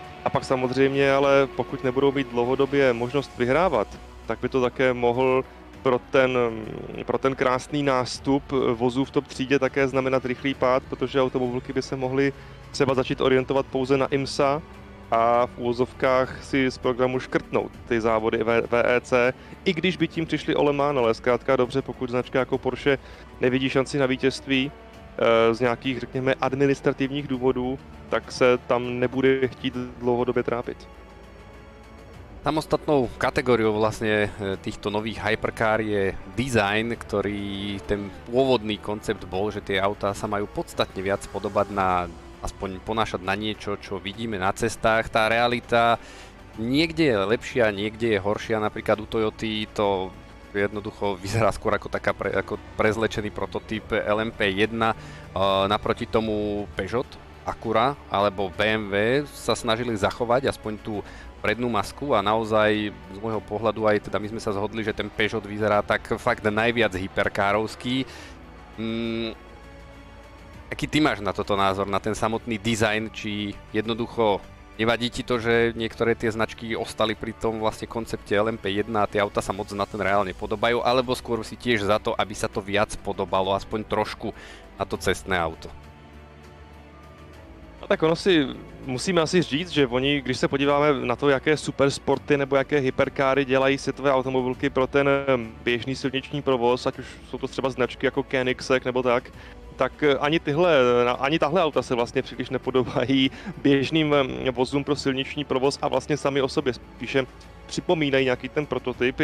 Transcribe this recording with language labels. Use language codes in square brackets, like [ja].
[cs] A pak samozřejmě, ale pokud nebudou mít dlouhodobě možnost vyhrávat, tak by to také mohl pro ten krásný nástup vozů v top třídě také znamenat rychlý pád, protože automobilky by se mohly třeba začít orientovat pouze na IMSA a v úvozovkách si z programu škrtnout ty závody WEC, i když by tím přišli o Le Mans, ale zkrátka dobře, pokud značka jako Porsche nevidí šanci na vítězství z nějakých, řekněme, administrativních důvodů, tak se tam nebude chtít dlouhodobě trápit. [sk] Samostatnou kategóriou vlastne týchto nových hypercar je design, ktorý ten pôvodný koncept bol, že tie autá sa majú podstatne viac podobať na, aspoň ponášať na niečo, čo vidíme na cestách. Tá realita niekde je lepšia, niekde je horšia. Napríklad u Toyoty to jednoducho vyzerá skôr ako taká ako prezlečený prototyp LMP1. Naproti tomu Peugeot, Acura alebo BMW sa snažili zachovať aspoň tú prednú masku a naozaj z môjho pohľadu aj teda my sme sa zhodli, že ten Peugeot vyzerá tak fakt najviac hyperkárovský. Aký ty máš na toto názor, na ten samotný dizajn, či jednoducho nevadí ti to, že niektoré tie značky ostali pri tom vlastne koncepte LMP1 a tie auta sa moc na ten reálne podobajú, alebo skôr si tiež za to, aby sa to viac podobalo aspoň trošku na to cestné auto? [cs] Tak ono si musíme asi říct, že oni, když se podíváme na to, jaké supersporty nebo jaké hyperkáry dělají světové automobilky pro ten běžný silniční provoz, ať už jsou to třeba značky jako Koenigsegg nebo tak, tak ani tahle auta se vlastně příliš nepodobají běžným vozům pro silniční provoz a vlastně sami o sobě spíše připomínají nějaký ten prototyp.